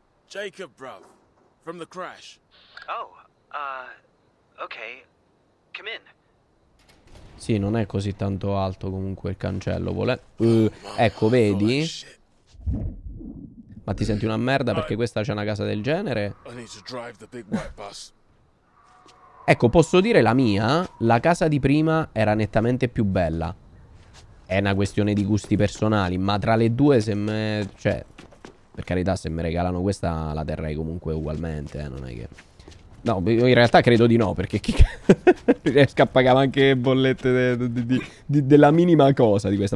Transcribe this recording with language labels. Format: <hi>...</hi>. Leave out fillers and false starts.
<en>Jacob, bruv, from the crash. Oh, okay, come in.</en> <it>Sì, non è così tanto alto comunque il cancello, vuole... ecco, vedi? Ma ti senti una merda perché questa c'è una casa del genere?</it> <en>I need to drive the big white bus.</en> <it>Ecco, posso dire la mia? La casa di prima era nettamente più bella. È una questione di gusti personali, ma tra le due se me... cioè... per carità, se mi regalano questa, la terrei comunque ugualmente, non è che... No, in realtà credo di no, perché chi riesca a pagare anche bollette della minima cosa di questa.</it>